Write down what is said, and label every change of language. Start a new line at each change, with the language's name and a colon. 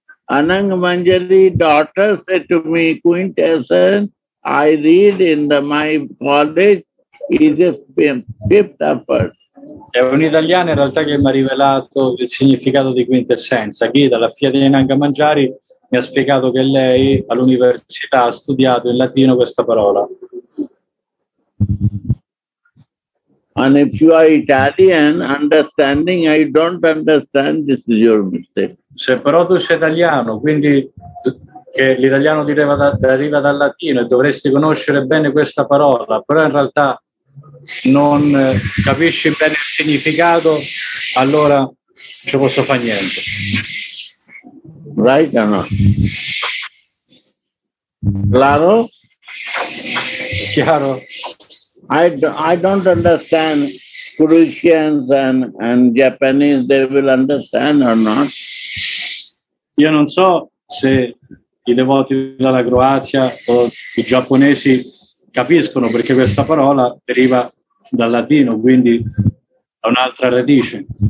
English: Anang Manjali daughter said to me, quintessence, I read in the my college.
Italian: È un italiano in realtà che mi ha rivelato il significato di quintessenza. Gita, la figlia di Nanga Mangiari, mi ha spiegato che lei all'università ha studiato in latino questa parola.
English: And if you are Italian, understanding, I don't understand, this is your mistake.
Italian: Se però tu sei italiano, quindi che l'italiano deriva dal latino e dovresti conoscere bene questa parola, però in realtà non capisci bene il significato, allora non ci posso fare niente.
English: Right or not?
Spanish: Claro?
Italian: Chiaro?
English: I don't understand Croatians and Japanese, they will understand or not?
Italian: Io non so se i devoti della Croazia o i giapponesi capiscono perché questa parola deriva dal latino, quindi da un'altra radice.